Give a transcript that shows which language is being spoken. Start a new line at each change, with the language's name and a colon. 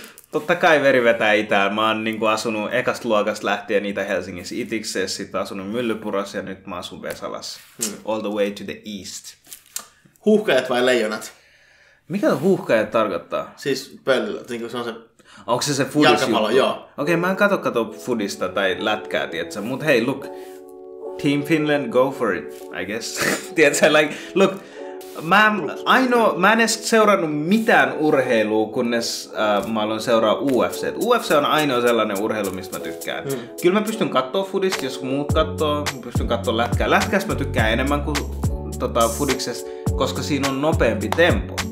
Finnish: Totta kai veri vetää itään. Mä oon niinku asunut ekasta luokasta lähtien Itä-Helsingissä itikseen, sit asunut Myllypurassa ja nyt mä asun Vesalassa.
English: All the way to the east.
Finnish: Huuhkajat vai leijonat? Mikä huuhkajat tarkoittaa? Siis pöllillä, niinku se on se... Onko se fudis? Jalkapallo, joo. Okei, mä en kato fudista tai lätkää, tietsä, mut hei, look.
English: Team Finland, go for it, I guess.
Finnish: Tiedätkö, look, mä en edes seurannut mitään urheilua, kunnes mä aloin seuraa UFC. UFC on ainoa sellainen urheilu, mistä mä tykkään. Kyllä mä pystyn kattoo fudista, jos muut kattoo, mä pystyn kattoo lätkää. Lätkäs mä tykkään enemmän kuin fudiksessa, koska siinä on nopeampi tempo.